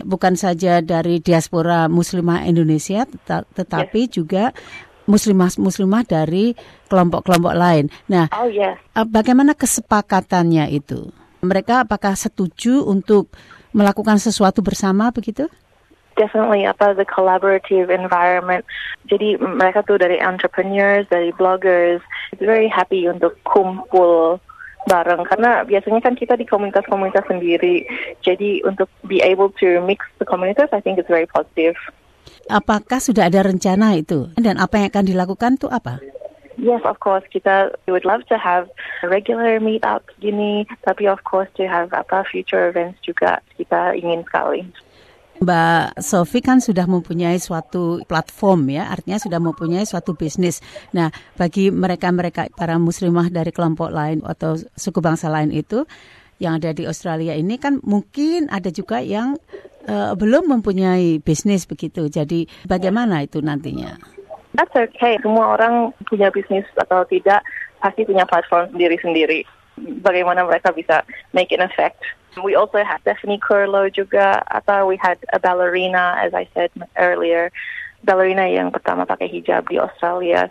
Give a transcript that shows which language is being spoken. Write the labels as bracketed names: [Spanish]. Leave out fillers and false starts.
[Indonesian] Untuk bukan saja dari diaspora muslimah Indonesia, tetapi yes, juga muslimah-muslimah dari kelompok-kelompok lain. Nah, bagaimana kesepakatannya itu? Mereka apakah setuju untuk melakukan sesuatu bersama begitu? [English] definitely apa the collaborative environment. [Indonesian] Jadi mereka tuh dari entrepreneurs, dari bloggers, very happy untuk kumpul bareng. Karena biasanya kan kita di komunitas-komunitas sendiri. [English] Jadi untuk be able to mix the communities, I think it's very positive. [Indonesian] Apakah sudah ada rencana itu? Dan apa yang akan dilakukan tuh apa? [English] Yes, of course. Kita we would love to have a regular meetup gini. Tapi [Indonesian] of course to have [English] apa [Indonesian] future events [English] juga kita ingin sekali. [Indonesian] Mbak Sofi kan sudah mempunyai suatu platform ya, artinya sudah mempunyai suatu bisnis. Nah, bagi mereka-mereka para muslimah dari kelompok lain atau suku bangsa lain itu yang ada di Australia ini kan mungkin ada juga yang belum mempunyai bisnis begitu. Jadi bagaimana itu nantinya? [English] That's okay. [Indonesian] Semua orang punya bisnis atau tidak pasti punya platform sendiri-sendiri. Bagaimana mereka bisa make an effect? [English] We also had Stephanie Curlo juga, atau we had a ballerina, as I said earlier, ballerina yang pertama pakai hijab di Australia.